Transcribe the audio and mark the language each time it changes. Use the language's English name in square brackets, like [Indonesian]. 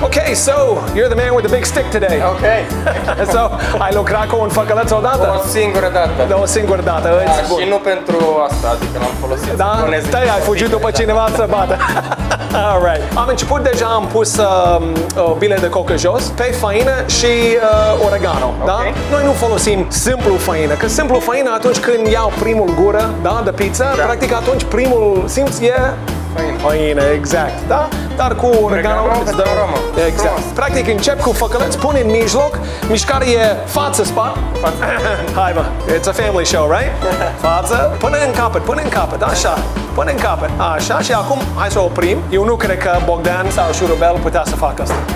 [English] Ok, so, you're the man with the big stick today. Ok. [Romanian] So, ai lucrat cu un făcălăț odată? O singură dată. O singură dată, da, îți spun. Și nu pentru asta, adică l-am folosit. Da? Stai, ai fugit după cineva să bată. [English] All right. [Romanian] Am început deja, am pus bile de cocă jos, pe făină și oregano, okay. Da? Noi nu folosim simplu făină, că simplu făină atunci când iau primul gură, da, de pizza, da. Practic atunci primul simț e... Făină, exact, da? Dar cu oregano îți dă aromă. Exact. Frumos. Practic încep cu făcăleț, pun în mijloc, mișcare e față-spa. Hai mă, [English] it's a family show, right? [Romanian] Față, până în capăt, până în capăt, așa. Până în capăt, așa, și acum hai să oprim. Eu nu cred că Bogdan sau Șurubel putea să facă asta.